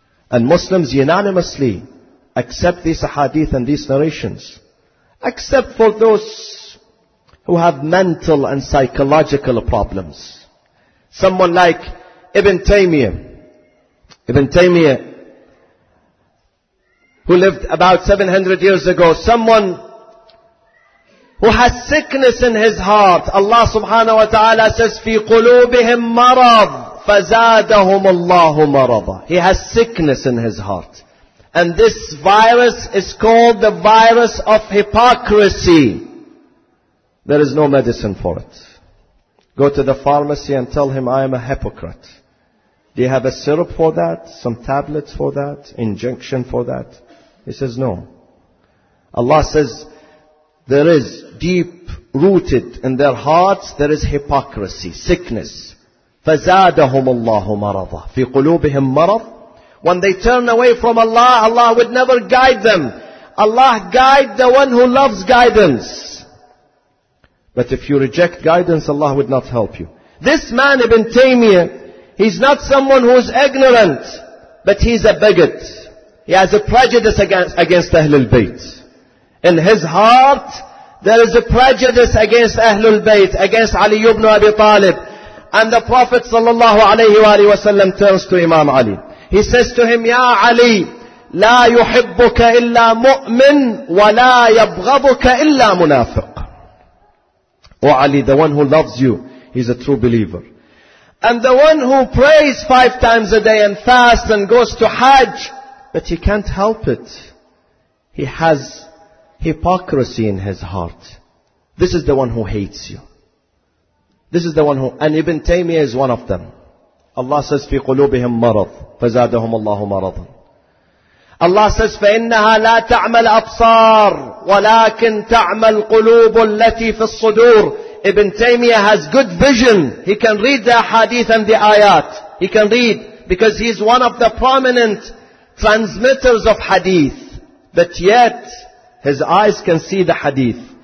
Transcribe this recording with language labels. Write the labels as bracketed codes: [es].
[en] And Muslims unanimously accept these hadith and these narrations, except for those who have mental and psychological problems. Someone like Ibn Taymiyyah, who lived about 700 years ago, someone who has sickness in his heart. Allah subhanahu wa ta'ala says, [ar] في قلوبهم مرض فزادهم الله مرضا. [en] He has sickness in his heart. And this virus is called the virus of hypocrisy. There is no medicine for it. Go to the pharmacy and tell him, I am a hypocrite. Do you have a syrup for that? Some tablets for that? Injection for that? He says, no. Allah says, there is deep rooted in their hearts, there is hypocrisy, sickness. [ar] فَزَادَهُمُ اللَّهُ مَرَضًا فِي قُلُوبِهِمْ مَرَضًا. [en] When they turn away from Allah, Allah would never guide them. Allah guide the one who loves guidance. But if you reject guidance, Allah would not help you. This man, Ibn Taymiyyah, he's not someone who is ignorant, but he's a bigot. He has a prejudice against Ahlul Bayt. In his heart, there is a prejudice against Ahlul Bayt, against Ali ibn Abi Talib. And the Prophet sallallahu alayhi wa sallam turns to Imam Ali. He says to him, Ya Ali, [ar] لا يحبك إلا مؤمن ولا يبغضك إلا منافق. [en] O Ali, the one who loves you, he's a true believer. And the one who prays five times a day and fasts and goes to Hajj, but he can't help it. He has hypocrisy in his heart. This is the one who hates you. This is the one who, and Ibn Taymiyyah is one of them. Allah says, [ar] في قلوبهم مرض فزادهم الله مرضا. [en] Allah says, [ar] فإنها لا تعمل أبصار ولكن تعمل قلوب التي في الصدور. [en] Ibn Taymiyyah has good vision. He can read the hadith and the ayat. He can read because he's one of the prominent transmitters of hadith. But yet, his eyes can see the hadith.